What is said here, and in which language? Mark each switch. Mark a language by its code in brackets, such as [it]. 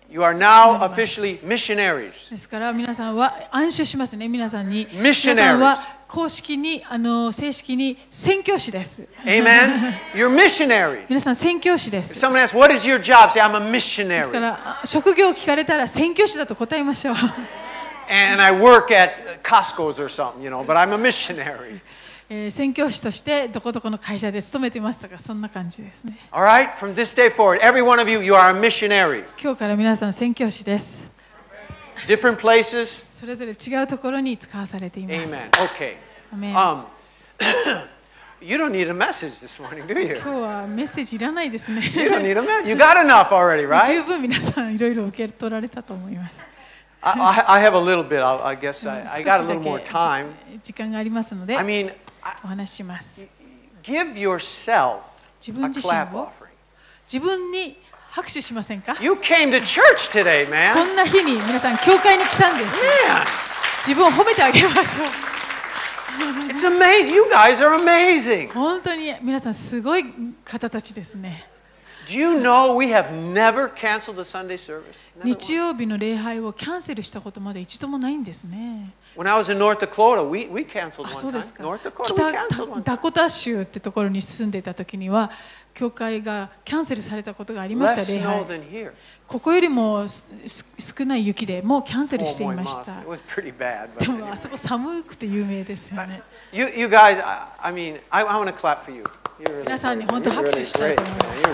[en] You are now officially missionaries. [ja] ですから皆さんは安心しますね。皆さんに。 [en] Missionaries. [ja] 皆さんは公式に正式に宣教師です。 [en] Amen. You're missionaries. [ja] 皆さん宣教師です。 [en] If someone asks, "What is your job?" Say, "I'm a missionary." [ja] ですから職業を聞かれたら宣教師だと答えましょう。 [en] And I work at Costco's or something, you know. But I'm a missionary. [ja] 宣教師としてどこどこの会社で勤めてますとかそんな感じですね。 [en] All right. From this day forward, every one of you, you are a missionary. [ja] 今日から皆さん宣教師です。 [en] Different places. [ja] それぞれ違うところに使わされています。 [en] Amen. Okay. Amen. You don't need a message this morning, do you? [ja] 今日はメッセージいらないですね。 [en] You don't need a message. You got enough already, right? [ja] 十分皆さんいろいろ受け取られたと思います。 [en] I have a little bit. I guess I got a little more time. [ja] 時間がありますので、 [en] I mean, [ja] お話します。 [en] Give yourself a clap offering. [ja] 自分に拍手しませんか？ [en] You came to church today, man. [ja] こんな日に皆さん教会に来たんです。自分を褒めてあげましょう。 [en] It's amazing. You guys are amazing. [ja] 本当に皆さんすごい方たちですね。 [en] Do you know we have never canceled a Sunday service? [ja] 日曜日の礼拝をキャンセルしたことまで一度もないんですね。 [en] When I was in North Dakota, we canceled one time. North Dakota, we canceled one. [ja] ダコタ州ってところに住んでた時には教会がキャンセルされたことがありました。礼拝。ここよりも少ない雪でもうキャンセルしていました。 [en] It was pretty bad. [ja] でもあそこ寒くて有名ですよね。 [en] You guys, I mean, I want to clap for you. [ja] 皆さんに本当拍手したいと思います。